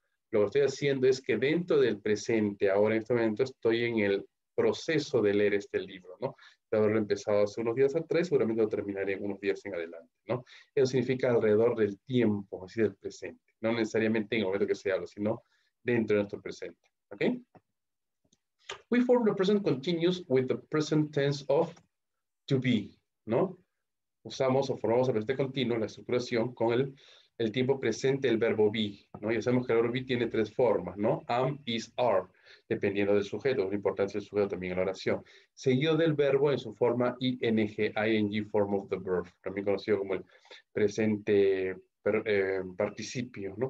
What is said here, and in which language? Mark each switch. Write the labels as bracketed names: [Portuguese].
[Spanish] Lo que estoy haciendo es que dentro del presente, ahora en este momento, estoy en el proceso de leer este libro, ¿no? De haberlo empezado hace unos días atrás, seguramente lo terminaré en unos días en adelante, ¿no? Eso significa alrededor del tiempo, así del presente. No necesariamente en el momento que se habla, sino dentro de nuestro presente, ¿ok? [English] We form the present continuous with the present tense of to be, ¿no? [Spanish] Usamos o formamos el presente continuo, la estructuración, con el tiempo presente del verbo be, ¿no? Ya sabemos que el verbo be tiene tres formas, ¿no? Am, is, are, dependiendo del sujeto, la importancia del sujeto también en la oración. Seguido del verbo en su forma ing, [English] ing form of the verb, [Spanish] también conocido como el presente participio, ¿no?